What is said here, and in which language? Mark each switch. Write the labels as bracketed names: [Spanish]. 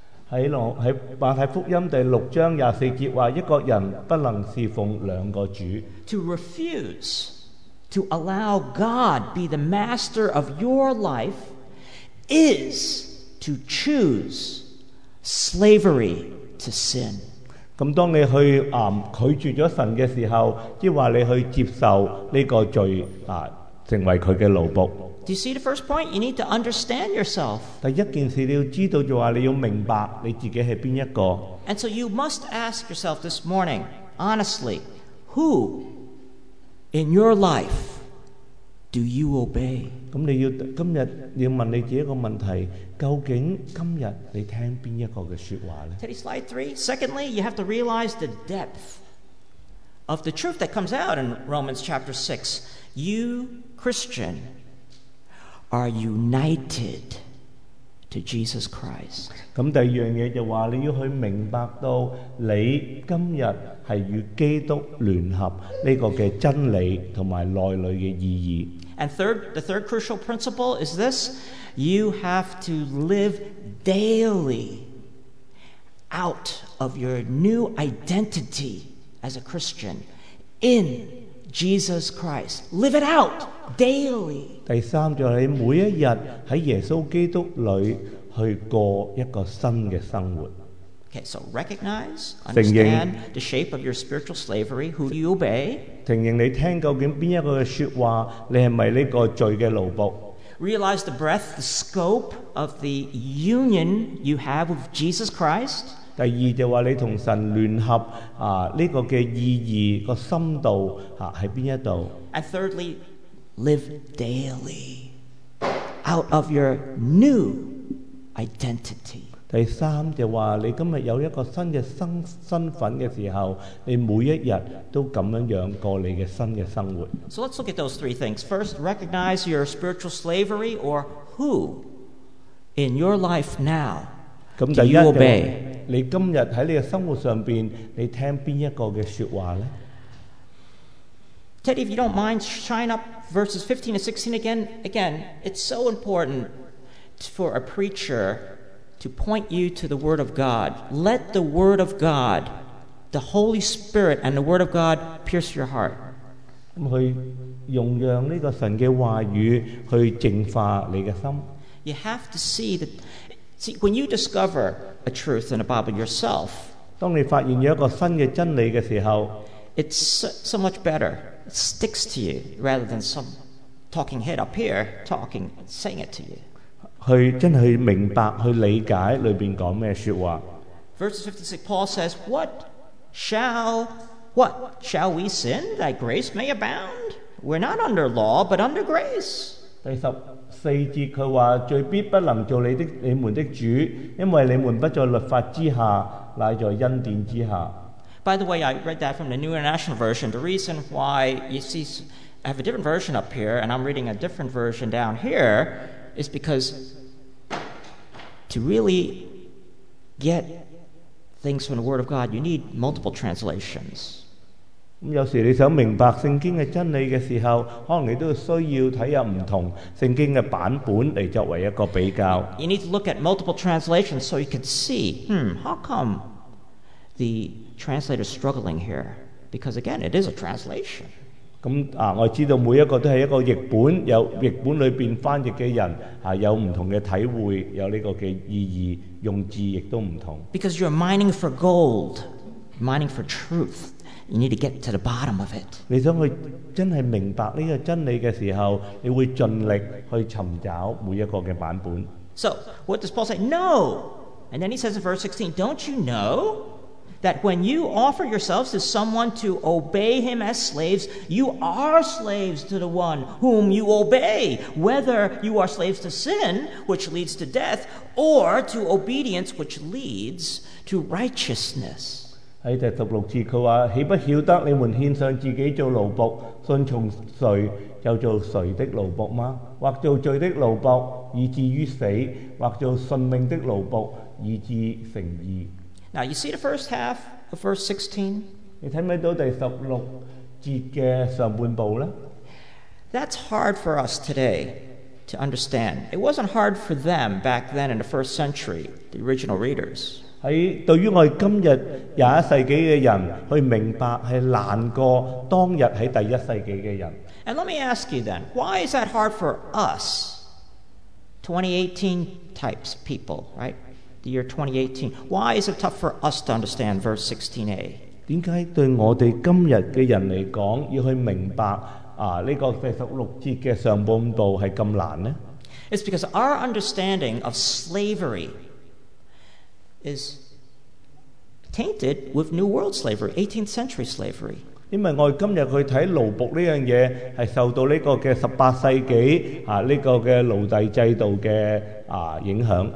[Cantonese] 在马太福音第六章廿四节话，一个人不能侍奉两个主。 [English] To refuse to allow God be the master of your life is to choose slavery to sin。 [Cantonese] 咁当你去拒绝咗神嘅时候，即话你去接受呢个罪成为佢嘅奴仆。 [English] Do you see the first point? You need to understand yourself. [Cantonese] 第一件事你要知道就话你要明白你自己系边一个。 [English] And so you must ask yourself this morning, honestly, who in your life do you obey? [Cantonese] 咁你要今日你要问你自己一个问题，究竟今日你听边一个嘅说话咧 [English] ？Teddy, slide three. Secondly, you have to realize the depth of the truth that comes out in Romans chapter 6. You Christian. Are united to Jesus Christ. [Cantonese] 咁第二樣嘢就話你要去明白到你今日係與基督聯合呢個嘅真理同埋內裏嘅意義。 [English] And third, the third crucial principle is this: you have to live daily out of your new identity as a Christian in. Jesus Christ. Live it out daily. [Cantonese] 第三就是你每一日在耶稣基督里去过一个新的生活。 [English] Okay, so recognize, understand the shape of your spiritual slavery, who do you obey? [Cantonese] 承认你听究竟哪一个的说话，你是不是这个罪的奴仆。 [English] Realize the breadth, the scope of the union you have with Jesus Christ. [Cantonese] 第二就话你同神联合这个嘅意义个深度喺边一度。 [English] And thirdly, live daily out of your new identity. [Cantonese] 第三就话你今日有一个新嘅身份嘅时候，你每一日都咁样样过你嘅新嘅生活。 [English] So let's look at those three things. First, recognize your spiritual slavery or who in your life now. [Cantonese] 咁第一就你今日喺你嘅生活上边，你听边一个嘅说话咧 [English] ？Teddy, if you don't mind, shine up verses 15 and 16 again. Again, it's so important for a preacher to point you to the Word of God. Let the Word of God, the Holy Spirit, and the Word of God pierce your heart. [Cantonese] 咁去容让呢个神嘅话语去净化你嘅心。 [English] You have to see that. See, when you discover a truth in the Bible yourself, [Cantonese] 当你发现有一个新的真理的时候 [English] it's so much better. It sticks to you rather than some talking head up here talking and saying it to you. [Cantonese] 去真的去明白去理解里面讲什么说话 [English] Verses 56, Paul says, What shall we sin that grace may abound? We're not under law, but under grace. [Cantonese] 第十四節他說罪必不能做你的你們的主，因為你們不在律法之下，乃在恩典之下。 [English] By the way, I read that from the New International Version. The reason why you see, I have a different version up here, and I'm reading a different version down here, is because to really get things from the Word of God, you need multiple translations. [Cantonese] 有時你想明白聖經的真理的時候，可能你都需要看下不同聖經的版本來作為一個比較。 [English] You need to look at multiple translations so you can see, how come the translator is struggling here? Because again, it is a translation. [Cantonese] 我知道每一個都是一個譯本，有譯本裏面翻譯的人，有不同的體會，有這個的意義，用字也都不同。 [English] Because you're mining for gold, mining for truth. You need to get to the bottom of it. [Cantonese] 你想去真係明白呢個真理嘅時候，你會盡力去尋找每一個嘅版本。 [English] So, what does Paul say? No! And then he says in verse 16, don't you know that when you offer yourselves to someone to obey him as slaves, you are slaves to the one whom you obey, whether you are slaves to sin, which leads to death, or to obedience, which leads to righteousness. [Cantonese] 在第十六節他說，豈不曉得你們獻上自己做奴仆，順從誰就做誰的奴仆嗎？或做罪的奴仆以至於死，或做順命的奴仆以至成義。 [English] Now you see the first half of verse 16? [Cantonese] 你看不到第十六節的上半部呢？ [English] That's hard for us today to understand. It wasn't hard for them back then in the first century, the original readers. [Cantonese] 對於我們今日21世紀的人去明白是難過當日在第一世紀的人。 [English] And let me ask you then, why is that hard for us 2018 types people, right? The year 2018, why is it tough for us to understand verse 16a? [Cantonese] 為什麼對我們今日的人來說要去明白這個第十六節的上半部是這麼難呢？ [English] It's because our understanding of slaveryis tainted with New World slavery, 18th century slavery. [Cantonese] 因為我們今天去看奴僕這件事是受到這個的18世紀這個的奴隸制度的影響。